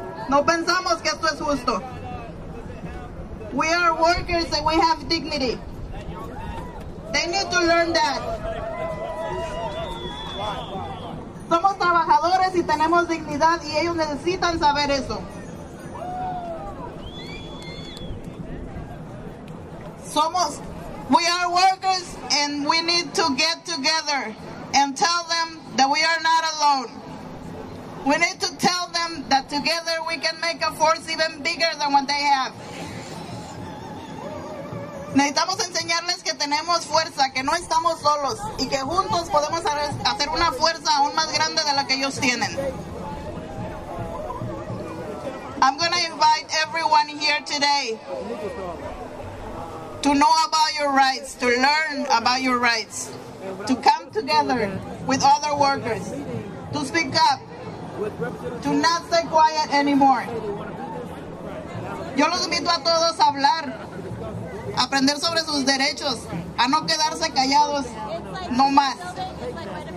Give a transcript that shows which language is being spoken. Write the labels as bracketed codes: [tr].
[es] No pensamos que esto es justo. [en] We are workers and we have dignity. They need to learn that. [es] Somos trabajadores y tenemos dignidad y ellos necesitan saber eso. [en] We are workers and we need to get together and tell them that we are not alone. We need to tell them that together we can make a force even bigger than what they have. [es] Necesitamos enseñarles que tenemos fuerza, que no estamos solos y que juntos podemos hacer una fuerza aún más grande de la que ellos tienen. [en] I'm going to invite everyone here today to know about your rights, to learn about your rights, to come together with other workers, to speak up, to not stay quiet anymore. [es] Yo los invito a todos a hablar, aprender sobre sus derechos, a no quedarse callados, no más.